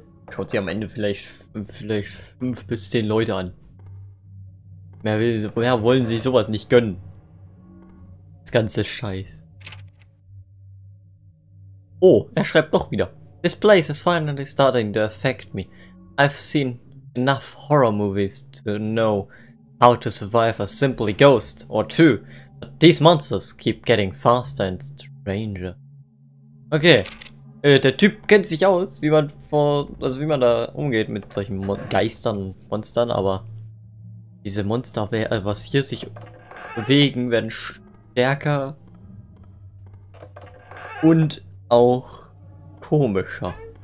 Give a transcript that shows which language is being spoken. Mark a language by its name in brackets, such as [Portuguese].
[German] Schaut sich am Ende vielleicht 5 bis 10 Leute an. Mehr wollen sie sowas nicht gönnen. Das ganze Scheiß. Oh, er schreibt doch wieder. [English] This place is finally starting to affect me. I've seen enough horror movies to know how to survive a simply ghost or two. But these monsters keep getting faster and stranger. Okay. [German] Der Typ kennt sich aus, wie man wie man da umgeht mit solchen Geistern und Monstern, aber diese Monster, was hier sich bewegen, werden stärker Und auch komischer.